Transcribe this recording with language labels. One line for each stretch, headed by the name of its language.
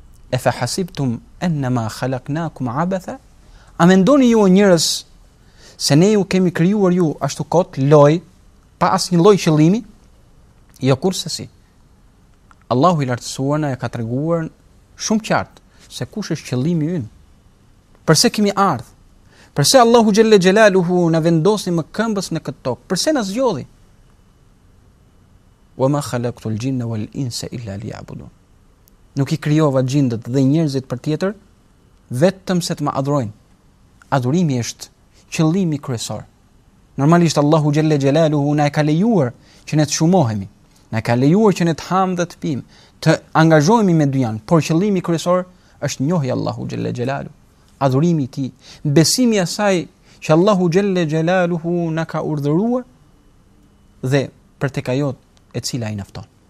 Arabic: e fa hasibtum enema khalaknakum abatha,
Albanian: a mendoni ju njerëz se ne ju kemi krijuar ju ashtu kot loj pa asnjë lloj qëllimi? Jo, kurse si. Allahu i lartësuar na e ka treguar shumë qartë se kush është qëllimi ynë. Përse kemi ardhur? Përse Allahu xhelle xhelaluhu na vendosni më këmbës në këtë tokë? Përse na zgjodhi?
Arabic: وما خلقت الجن والانس الا ليعبدون.
Albanian: Nuk i krijova xhindët dhe njerëzit përtjetër vetëm se të më adhurojnë. Adhurimi është qëllimi kryesor. Normalisht Allahu xhelle xhelaluhu na e ka lejuar që ne të shumohemi, na e ka lejuar që ne të ham dhe të pim, të angazhohemi me dyjan, por qëllimi kryesor është njohja Allahu xhelle xhelaluhu, adhurimi i tij, besimi asaj që Allahu xhelle xhelaluhu na ka urdhëruar dhe për tek ajo e cila i nafton.